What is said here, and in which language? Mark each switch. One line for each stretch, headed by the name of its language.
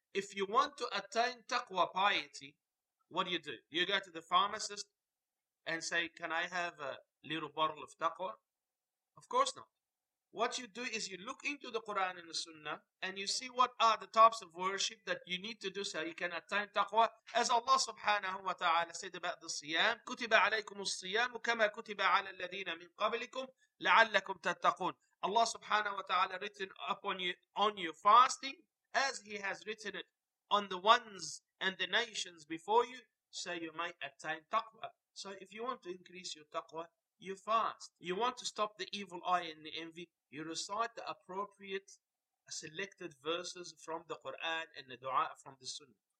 English: If you want to attain taqwa, piety, what do? You go to the pharmacist and say, can I have a little bottle of taqwa? Of course not. What you do is you look into the Quran and the Sunnah and you see what are the types of worship that you need to do so you can attain taqwa. As Allah subhanahu wa ta'ala said about the siyam,
Arabic: كُتِبَ عَلَيْكُمُ الصِّيَامُ كَمَا كُتِبَ عَلَى الَّذِينَ مِنْ قَبْلِكُمْ لَعَلَّكُمْ تَتَّقُونَ.
English: Allah subhanahu wa ta'ala written upon you on your fasting as He has written it on the ones and the nations before you, so you might attain taqwa. So if you want to increase your taqwa, you fast. You want to stop the evil eye and the envy, you recite the appropriate selected verses from the Quran and the dua from the Sunnah.